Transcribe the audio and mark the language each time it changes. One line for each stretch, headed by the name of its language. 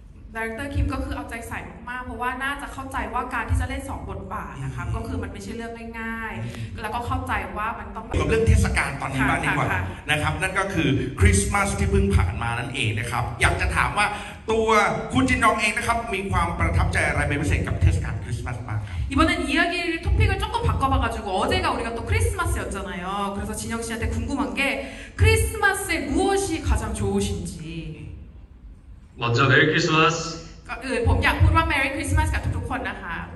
Thai: 날때김ก็คือเอาใจใส่มากๆเพราะว่าน่าจะเข้าใจว่าการที่จะเล่นสองบทบาทนะคะก็คือมันไม่ใช่เรื่องง่ายๆแล้วก็เข้าใจว่ามันต้อง เกี่ยวกับเรื่องเทศกาลตอนนี้บ้างดีกว่านะครับนั่นก็คือคริสต์มาสที่เพิ่งผ่านมานั่นเองนะครับอยากจะถามว่าตัวคุณจินดองเองนะครับมีความประทับใจอะไรเป็นพิเศษกับเทศกาลคริสต์มาสบ้าง อีวันนี้
Korean: 이야기를 토픽을 조금 바꿔봐가지고 어제가 우리가 또 크리스마스였잖아요 그래서 진혁 씨한테 궁금한 게 크리스마스에 무엇이 가장 좋으신지 먼저메리크리스마스
Thai: ก็เออผมอยากพูดว่าเมรี่คริสต์มาสกับทุกๆคนนะคะ